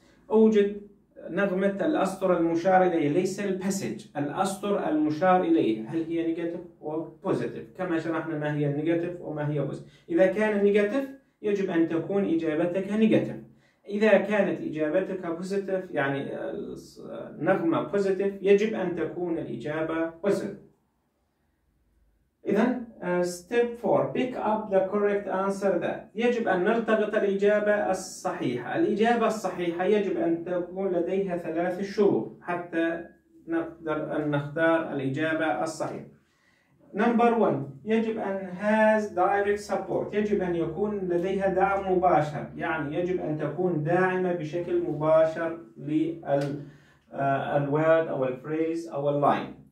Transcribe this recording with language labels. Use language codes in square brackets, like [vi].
[ar] أوجد نغمة الأسطر المشار إليها، ليس الباسج، الأسطر المشار إليها، هل هي نيجاتيف أو بوزيتيف؟ كما شرحنا ما هي النيجاتيف وما هي بوزيتيف. إذا كان نيجاتيف يجب أن تكون إجابتك نيجاتيف. إذا كانت إجابتك بوزيتيف يعني نغمة بوزيتيف يجب أن تكون الإجابة بوزيتيف. [en] إذن step 4 pick up the correct answer that. [ar] يجب أن نلتقط الإجابة الصحيحة. الإجابة الصحيحة يجب أن تكون لديها ثلاث شروط حتى نقدر أن نختار الإجابة الصحيحة. [en] Number 1 [ar] يجب أن [en] has direct support، [ar] يجب أن يكون لديها دعم مباشر، يعني يجب أن تكون داعمة بشكل مباشر للword أو الفريز أو اللاين.